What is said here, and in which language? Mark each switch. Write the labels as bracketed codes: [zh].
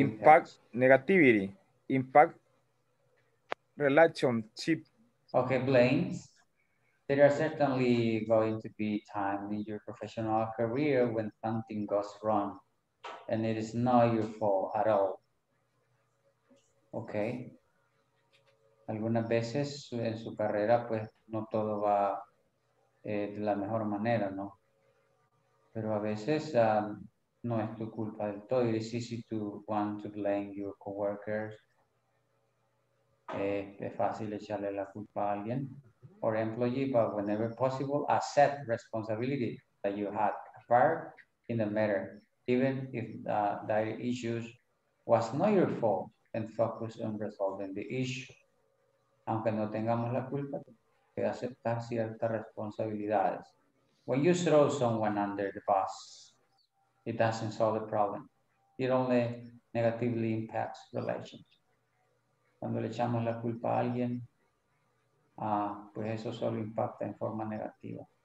[en] impact negativity, impact relationship. Okay, blames. There are certainly going to be time in your professional career when something goes wrong and it is not your fault at all. Okay. [es] Algunas veces en su carrera, pues no todo va de la mejor manera, ¿no? Pero a veces no es tu culpa del todo. [en] It is easy to want to blame your coworkers. [es] Es fácil echarle la culpa a alguien [en] or employee, but whenever possible, accept responsibility that you had a part in the matter, even if the issues was not your fault, and focus on resolving the issue. [es] Aunque no tengamos la culpa, hay que aceptar ciertas responsabilidades. [en] When you throw someone under the bus, it doesn't solve the problem. It only negatively impacts relations. [es] Cuando le echamos la culpa a alguien, pues eso solo impacta en forma negativa.